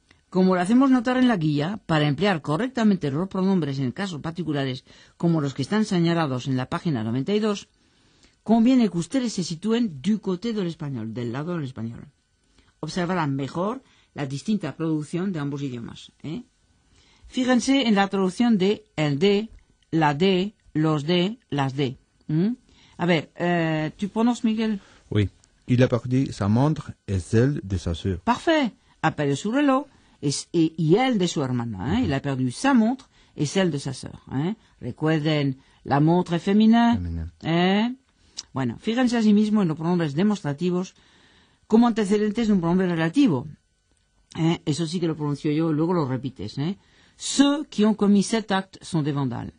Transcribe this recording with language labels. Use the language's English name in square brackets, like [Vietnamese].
[Spanish] Como lo hacemos notar en la guía, para emplear correctamente los pronombres en casos particulares como los que están señalados en la página 92, conviene que ustedes se sitúen [French] du côté [Spanish] del español, del lado del español. Observarán mejor la distinta producción de ambos idiomas, ¿eh? Fíjense en la traducción de el de, la de, los de, las de. A ver, [French] ¿tu prononces, [Spanish] Miguel? [French] Oui. Il a perdu sa montre et celle de sa sœur. Parfait. [Spanish] A perdu su reloj y el de su hermana. ¿Eh? [French] Il a perdu sa montre et celle de sa sœur. ¿Eh? [Spanish] Recuerden, la montre es femenina. ¿Eh? Bueno, fíjense asimismo en los pronombres demostrativos como antecedentes de un pronombre relativo. ¿Eh? Eso sí que lo pronuncio yo, luego lo repites. ¿Eh? [French] Ceux qui ont commis cet acte sont des vandales.